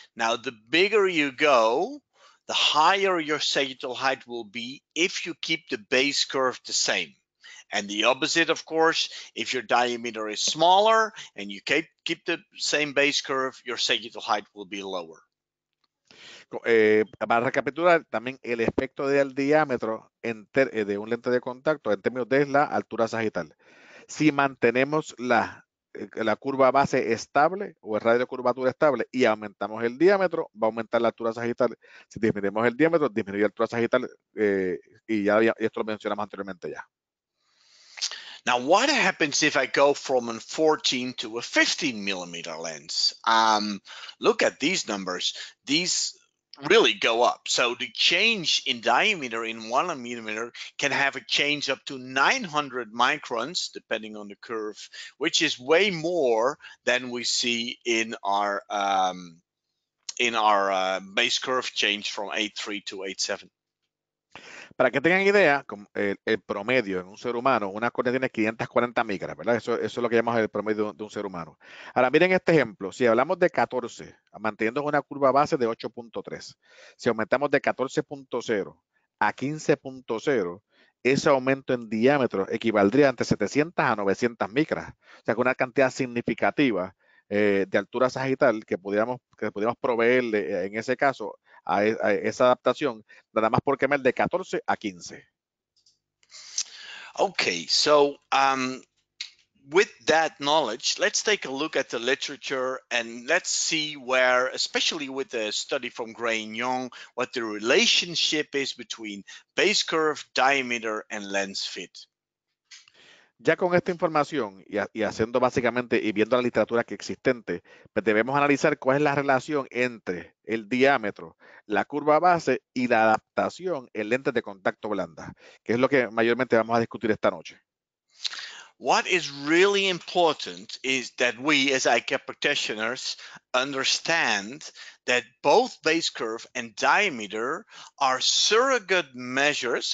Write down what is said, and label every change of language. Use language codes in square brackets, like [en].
[en] Now, the bigger you go, the higher your sagittal height will be if you keep the base curve the same. And the opposite, of course, if your diameter is smaller and you keep the same base curve, your sagittal height will be lower. [es] Para recapitular, también el efecto del diámetro de un lente de contacto en términos de la altura sagital. Si mantenemos la curva base estable o el radio de curvatura estable y aumentamos el diámetro, va a aumentar la altura sagital. Si disminuimos el diámetro, disminuye la altura sagital y esto lo mencionamos anteriormente ya. [en] Now, what happens if I go from a 14 to a 15 millimeter lens? Look at these numbers. These really go up. So the change in diameter in 1 millimeter can have a change up to 900 microns, depending on the curve, which is way more than we see in our base curve change from 8.3 to 8.7. [es] Para que tengan idea, el promedio en un ser humano, una córnea tiene 540 micras, ¿verdad? Eso es lo que llamamos el promedio de un ser humano. Ahora, miren este ejemplo. Si hablamos de 14, manteniendo una curva base de 8.3, si aumentamos de 14.0 a 15.0, ese aumento en diámetro equivaldría entre 700 a 900 micras. O sea, que una cantidad significativa de altura sagital que pudiéramos proveerle en ese caso a esa adaptación, nada más por cambiar de 14 a 15. [en] Okay, so with that knowledge, let's take a look at the literature and let's see where, especially with the study from Gray and Young, what the relationship is between base curve, diameter and lens fit. [es] Ya con esta información y haciendo básicamente y viendo la literatura que existente, pues debemos analizar cuál es la relación entre el diámetro, la curva base y la adaptación en lentes de contacto blandas, que es lo que mayormente vamos a discutir esta noche. [en] What is really important is that we, as IKEA practitioners, understand that both base curve and diameter are surrogate measures.